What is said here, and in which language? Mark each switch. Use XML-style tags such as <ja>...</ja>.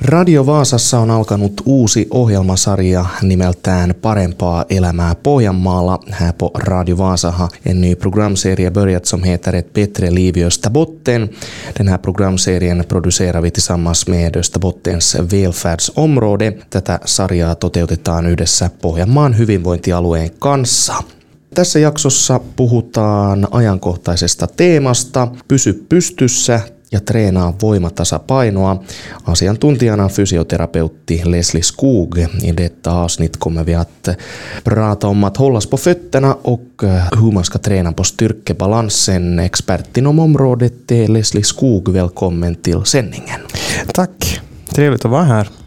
<fi>Radio Vaasassa on alkanut uusi ohjelmasarja nimeltään Parempaa elämää Pohjanmaalla.</fi> <sv>Här på Radio Vaasa har en ny programserie börjat som heter Ett bättre liv i Österbotten. Den här programserien producerar vi tillsammans med Österbottens välfärdsområde.</sv> <fi>Tätä sarjaa toteutetaan yhdessä Pohjanmaan hyvinvointialueen kanssa. Tässä jaksossa puhutaan ajankohtaisesta teemasta Pysy pystyssä ja treenaa voimatasapainoa. Asiantuntijana fysioterapeutti Leslie Skog.</fi> <sv>I detta avsnitt kommer vi att prata om att hållas på fötterna och hur man ska träna på styrkebalansen. Expertin om området är Leslie Skog. Välkommen till sändningen. Tack. Trevligt att vara här.</sv>